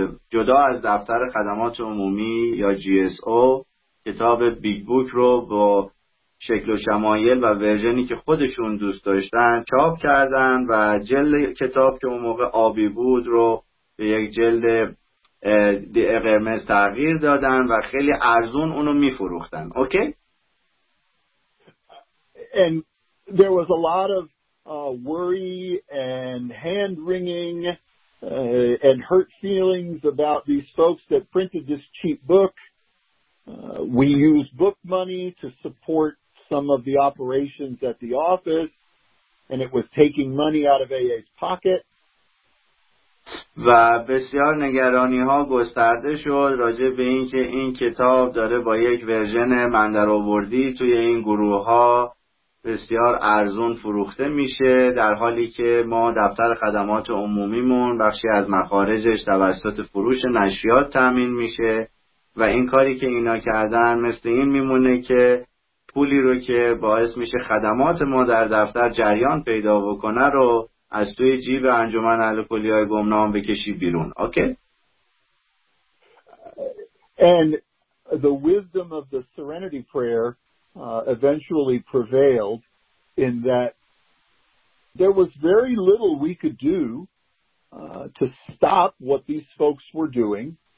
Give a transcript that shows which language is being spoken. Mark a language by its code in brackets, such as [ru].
[fa] جدا از دفتر خدمات عمومی یا GSO کتاب بیگ بوک رو با شکل و شمایل و ورژنی که خودشون دوست داشتن چاپ کردن و جلد کتاب که اون موقع آبی بود رو به یک جلد قرمز تغییر دادن و خیلی ارزون اونو می فروختن. اوکی؟ [en] And there was a lot of worry and hand-wringing and hurt feelings about these folks that printed this cheap book. We used book money to support some of the operations at the office, and it was taking money out of AA's pocket. [fa] و بسیار نگرانی ها گسترده شد راجع به اینکه این کتاب داره با یک ورژن مندرآوردی توی این گروه ها بسیار ارزون فروخته میشه در حالی که ما دفتر خدمات عمومیمون بخشی از مخارجش توسط فروش نشریات تامین میشه و این کاری که اینا کردن مثل این میمونه که پولی رو که باعث میشه خدمات ما در دفتر جریان پیدا بکنه رو از توی جیب انجمن الکلی‌های گمنام بکشی بیرون. اوکی؟ [en] And the wisdom of the serenity prayer eventually prevailed in that there was very little we could do to stop what these folks were doing.